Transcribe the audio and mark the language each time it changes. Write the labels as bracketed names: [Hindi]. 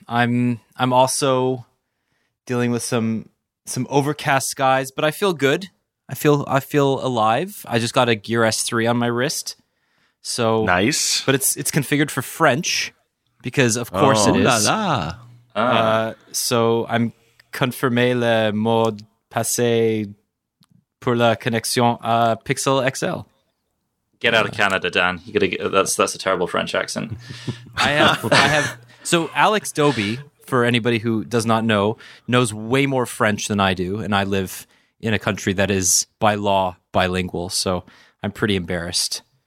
[English] I'm also dealing with some overcast skies, but I feel good. I feel alive. I just got a Gear S3 on my wrist. So nice. But it's configured for French because of course it is. La la. So I'm [French] confirmé le mot passé pour la connexion à Pixel XL. [English] Get out of Canada, Dan. That's a terrible French accent. I have so Alex Doby, for anybody who does not know, knows way more French than I do, and I live in a country that is by law bilingual, so I'm pretty embarrassed.